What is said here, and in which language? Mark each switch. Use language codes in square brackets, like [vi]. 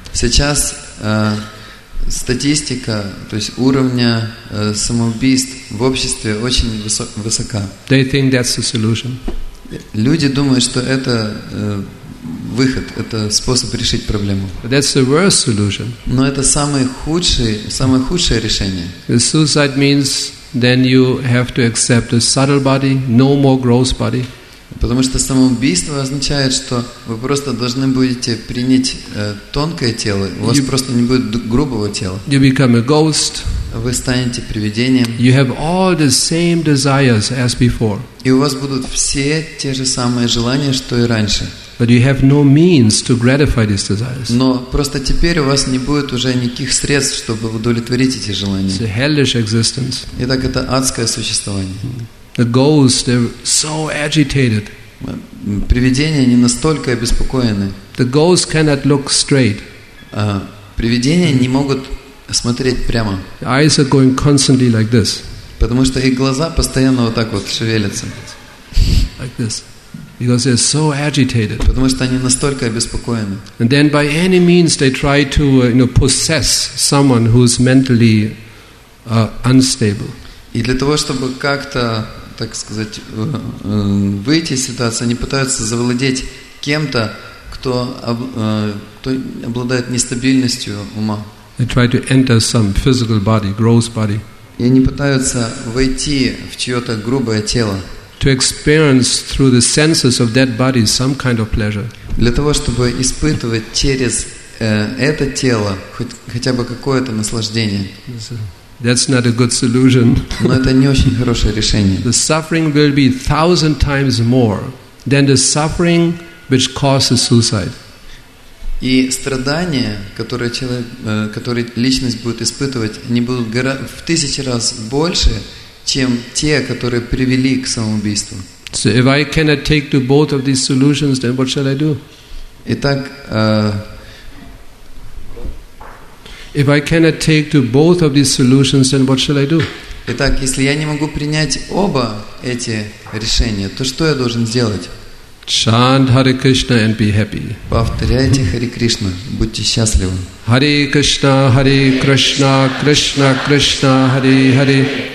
[ru] Сейчас статистика, то есть уровня самоубийств в обществе очень высока. [en] They think that's the solution. [ru] Люди думают, что это выход, это способ решить проблему. [en] But that's the worst solution. [ru] Но это самое худшее решение. [en] The suicide means then you have to accept a subtle body, no more gross body. [ru] Потому что самоубийство означает, что вы просто должны будете принять тонкое тело, у вас просто не будет грубого тела. [en] You become a ghost. [ru] Вы станете привидением. [en] You have all the same desires as before. [ru] И у вас будут все те же самые желания, что и раньше. [en] But you have no means to gratify these desires. [ru] Но просто теперь у вас не будет уже никаких средств, чтобы удовлетворить эти желания. [en] It's a hellish existence. [ru] Итак, это адское существование. [en] The ghosts, they're so agitated. [ru] Привидения не настолько обеспокоены. [en] The ghosts cannot look straight. [ru] Привидения не могут смотреть прямо. [en] Eyes are going constantly like this. [ru] Потому что их глаза постоянно вот так вот шевелятся. [en] Like this. Because they're so agitated. [ru] Потому что они настолько обеспокоены. [en] And then by any means they try to, you know, possess someone who's mentally unstable. [ru] И для того, чтобы как-то, так сказать, выйти из ситуации, они пытаются завладеть кем-то, кто, кто обладает нестабильностью ума. [en] They try to enter some physical body, gross body. [ru] И они пытаются войти в чье-то грубое тело. [en] To experience through the senses of that body some kind of pleasure. [ru] Для того, чтобы испытывать через это тело хотя бы какое-то наслаждение. [en] That's not a good solution. [ru] Но это не очень хорошее решение. [en] The suffering will be 1,000 times more than the suffering which causes suicide. [ru] И страдания, которые человек, которые личность будет испытывать, они будут в 1000 раз больше, чем те, которые привели к самоубийству. [en] So if I cannot take to both of these solutions, then what shall I do? [ru] Итак, [en] if I cannot take to both of these solutions, then what shall I do? [ru] Итак, если я не могу принять оба эти решения, то что я должен сделать? [en] Chant Hare Krishna and be happy. [ru] Повторяйте Hare Krishna, будьте счастливы. [sa] Hare Krishna, Hare Krishna, Krishna Krishna, Hare Hare.